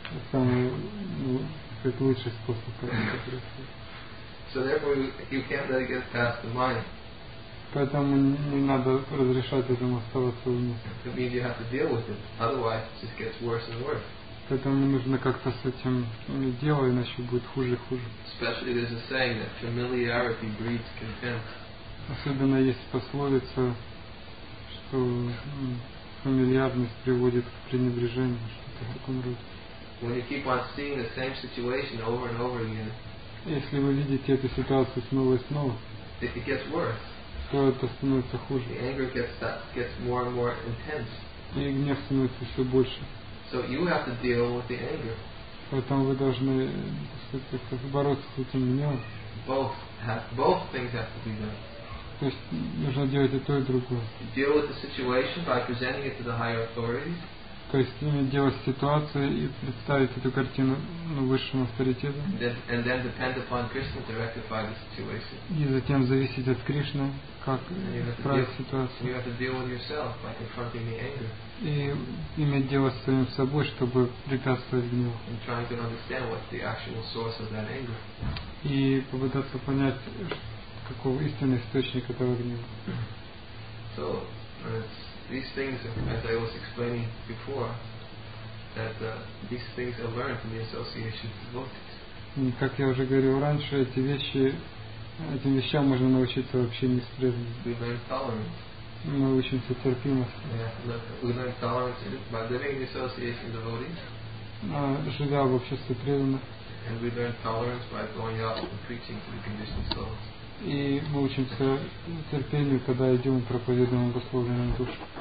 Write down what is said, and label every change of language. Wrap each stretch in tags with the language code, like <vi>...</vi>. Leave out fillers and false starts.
<ru>Самый как лучший способ.</ru> <en>So therefore you can't let it get past the mind.</en> <ru>Поэтому не надо разрешать этому оставаться в уме.</ru> <en>That means you have to deal with it, otherwise it just gets worse and worse.</en> <ru>Поэтому нужно как-то с этим делать, иначе будет хуже и хуже.</ru> <en>Especially there's a saying that familiarity breeds contempt.</en> <ru>Особенно есть пословица, что фамильярность приводит к пренебрежению, что-то в таком роде.</ru> <en>When you keep on seeing the same situation over and over again.</en> <ru>Если вы видите эту ситуацию снова и снова,</ru> <en>it gets worse.</en> <ru>То это становится хуже.</ru> <en>The anger gets more and more intense.</en> <ru>И гнев становится все больше.</ru> <en>So you have to deal with the anger.</en> <ru>Поэтому вы должны, так сказать, бороться с этим гневом.</ru> <en>Both things have to be done.</en> <ru>То есть нужно делать и то, и другое.</ru> <en>Deal with the situation by presenting it to the higher authorities.</en> <ru>То есть иметь дело с ситуацией и представить эту картину высшим авторитетом.</ru> <en>And then depend upon Krishna to rectify the situation.</en> <ru>И затем зависеть от Кришны, как исправить ситуацию.</ru> <en>You have to deal with yourself by confronting the anger.</en> <ru>И иметь дело с самим собой, чтобы препятствовать гневу.</ru> <en>And trying to understand what's the actual source of that anger.</en> <ru>И попытаться понять, какого истинный источник этого гнева.</ru> <en>So, these things, as I was explaining before, that these things are learned from the association of devotees.</en> <ru>Как я уже говорил раньше, этим вещам можно научиться вообще не стрессом.</ru> <en>We learn tolerance.</en> <ru>Мы учимся терпимости.</ru> <en>Yeah, we learn tolerance by living in the association of devotees.</en> <ru>Живя в обществе преданных.</ru> <en>And we learn tolerance by going out and preaching to the conditioned souls.</en> <ru>И мы учимся терпению, когда идем и проповедуем обусловленную душу.</ru>